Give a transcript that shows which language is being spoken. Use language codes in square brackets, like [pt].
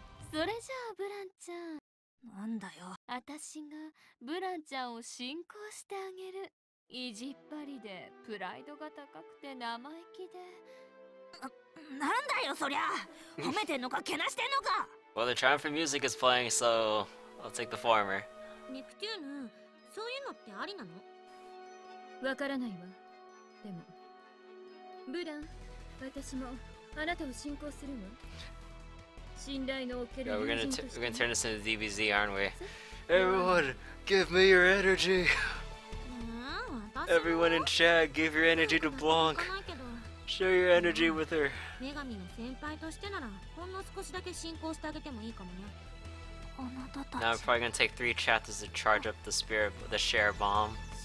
[ja] それじゃあブランちゃん。なんだよ。私がブランちゃんを信仰してあげる。意地っ張りでプライドが高くて生意気で。なんだよそりゃ。褒めてんのかけなしてんのか。 [en] Well, the triumph of music is playing, so I'll take the former. [ja] ネプチューヌ、そういうのってありなの？わからないわ。でもブラン、私もあなたを信仰するの。信頼のおける友人として。 [en] We're gonna turn this into DBZ, aren't we? Everyone, give me your energy. Everyone in chat, give your energy to Blanc. Share your energy with her. [ja] 女神の先輩としてならほんの少しだけ信仰してあげてもいいかもね。あなたたち。 [en] Now I'm probably gonna take 3 chapters to charge up the spirit, the share bomb.